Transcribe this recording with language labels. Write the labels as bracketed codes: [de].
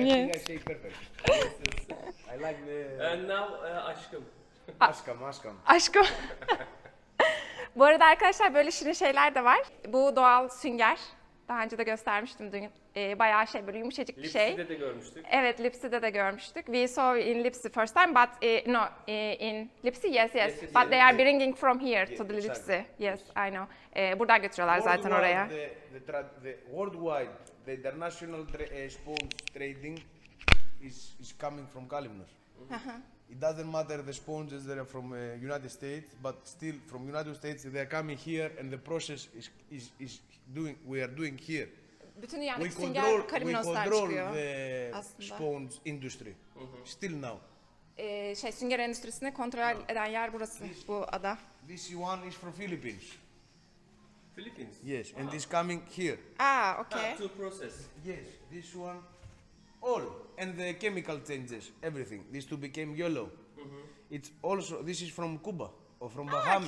[en] I think I say perfect. I like the... And now aşkım. [tr] Aşkım. Aşkım. Bu arada arkadaşlar böyle şirin şeyler de var. Bu doğal sünger. Daha önce de göstermiştim dün. Bayağı şey böyle yumuşacık bir şey. Lipsi'de de görmüştük. Evet, Lipsi'de de görmüştük. [en] We saw in Lipsi first time but in Lipsi yes. But they are bringing from here to the Lipsi. Yes, I know. [tr] Buradan götürüyorlar [en] worldwide [tr] zaten oraya. [en] Worldwide, the international sports trading is coming from Kalymnos. It doesn't matter the sponges that are from United States, but still from United States they are coming here and the process is doing we are doing here. [tr] Bütün yani sünger Kalymnos'tan çıkıyor. [en] We control the sponge industry. Still now. [tr] Sünger endüstrisini kontrol eden yer burası, bu ada. [en] This one is from Philippines. Philippines. Yes, and this coming here. Ah, okay. To process. Yes, this one. All and the chemical changes, everything. This two became yellow. It's also this is from Cuba or from Bahamas